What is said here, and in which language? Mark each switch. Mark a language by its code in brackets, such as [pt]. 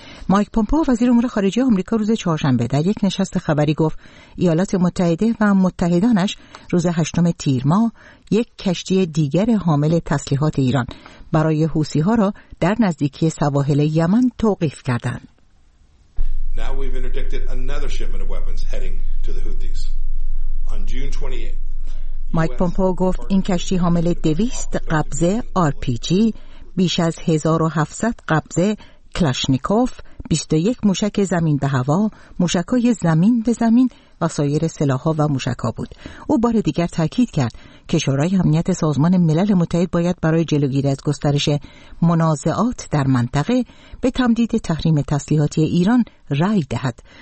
[fa] مایک پومپئو وزیر امور خارجه آمریکا روز چهارشنبه در یک نشست خبری گفت ایالات متحده و متحدانش روز 8 تیر ماه یک کشتی دیگر حامل تسلیحات ایران برای حوثی‌ها را در نزدیکی سواحل یمن توقیف کردند. [en] Now we've interdicted another shipment of weapons heading to the Houthis. On June 28. [fa] مایک پومپئو گفت این کشتی حامل 200 قبضه RPG، بیش از 1700 قبضه کلاشنیکوف، 21 موشک زمین به هوا، موشک‌های زمین به زمین و سایر سلاح‌ها و موشک‌ها بود. او بار دیگر تأکید کرد که شورای امنیت سازمان ملل متحد باید برای جلوگیری از گسترش منازعات در منطقه به تمدید تحریم تسلیحاتی ایران رأی دهد.